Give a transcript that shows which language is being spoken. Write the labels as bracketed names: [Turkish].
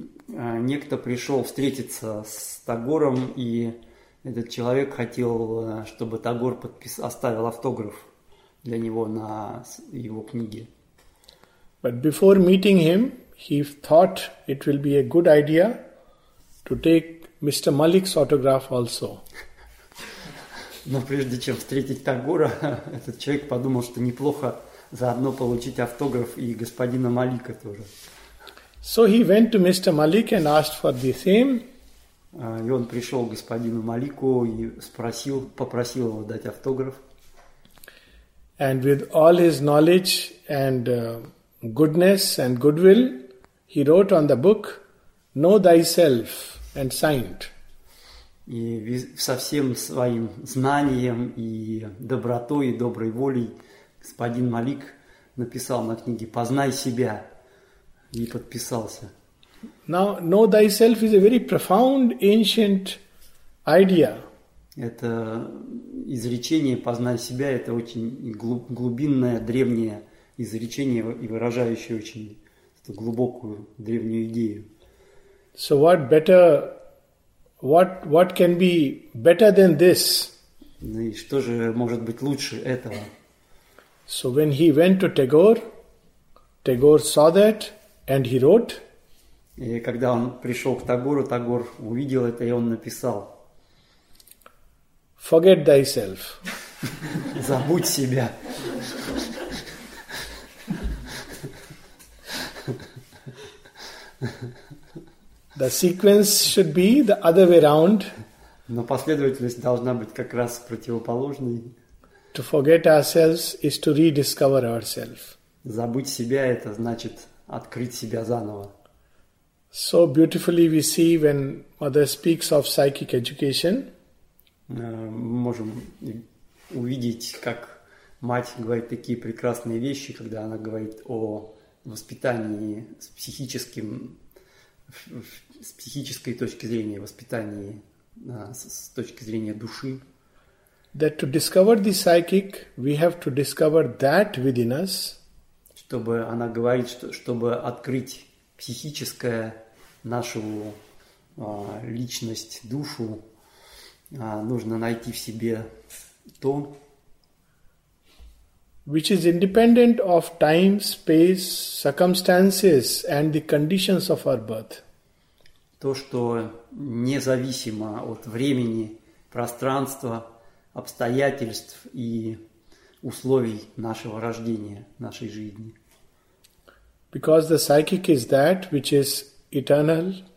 [Russian] Некто пришел встретиться с Тагором, и этот человек хотел, чтобы Тагор оставил автограф для него на его книге. [English] But before meeting him, he thought it will be a good idea to take Mr. Malik's autograph also. [Russian] Но прежде чем встретить Тагора, этот человек подумал, что неплохо заодно получить автограф и господина Малика тоже. [English] So he went to Mr. Malik and asked for the same. [Russian] И он пришел к господину Малику и попросил его дать автограф. [English] And with all his knowledge and goodness and goodwill, he wrote on the book, "Know thyself," and signed. [Russian] И со всем своим знанием и добротой и доброй волей господин Малик написал на книге «Познай себя» и подписался. [English] Now, know thyself is a very profound ancient idea. [Russian] Это изречение «Познай себя» – это очень глубинное древнее изречение и выражающее очень эту глубокую древнюю идею. [English] So what better What can be better than this? [Russian] И что же может быть лучше этого? [English] So when he went to Tagore, Tagore saw that and he wrote. [Russian] И когда он пришел к Тагору, Тагор увидел это и он написал. [English] Forget thyself. [Russian] Забудь себя. [English] The sequence should be the other way round. [Russian] Но последовательность должна быть как раз противоположной. [English] To forget ourselves is to rediscover ourselves. [Russian] Забыть себя – это значит открыть себя заново. [English] So beautifully we see when Mother speaks of psychic education. [Russian] Мы можем увидеть, как мать говорит такие прекрасные вещи, когда она говорит о воспитании с психической точки зрения, воспитании с точки зрения души. [English] That to discover the psychic, we have to discover that within us. [Russian] Чтобы она говорит, что, чтобы открыть психическое нашу личность, душу, нужно найти в себе то, [English] which is independent of time, space, circumstances and the conditions of our birth. [Russian] То, что независимо от времени, пространства, обстоятельств и условий нашего рождения, нашей жизни. [English] Because the psychic is that which is eternal.